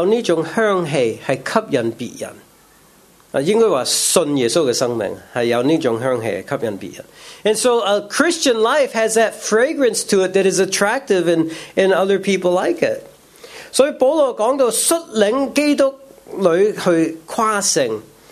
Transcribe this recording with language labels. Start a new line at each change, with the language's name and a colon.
Chinese: 生命是有这种香气，是吸引别人。应该说信耶稣的生命是有这种香气吸引别人。
English: And so a Christian life has that fragrance to it that is attractive and other people like it.
Chinese: 所以保罗讲到率领基督女去跨城。